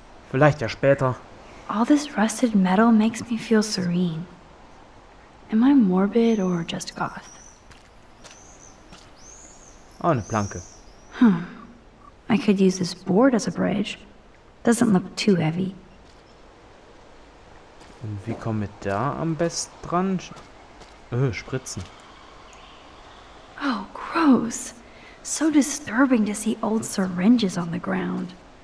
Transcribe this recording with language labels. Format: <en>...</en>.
<de>Vielleicht ja später.</de> <en>All this rusted metal makes me feel serene. Am I morbid or just goth?</en> <de>Oh, eine Planke.</de> <en>I could use this board as a bridge. Doesn't look too heavy.</en> <de>Und wie komme ich da am besten dran? Spritzen.</de> <en>Oh, gross. So disturbing to see old syringes on the ground.</en>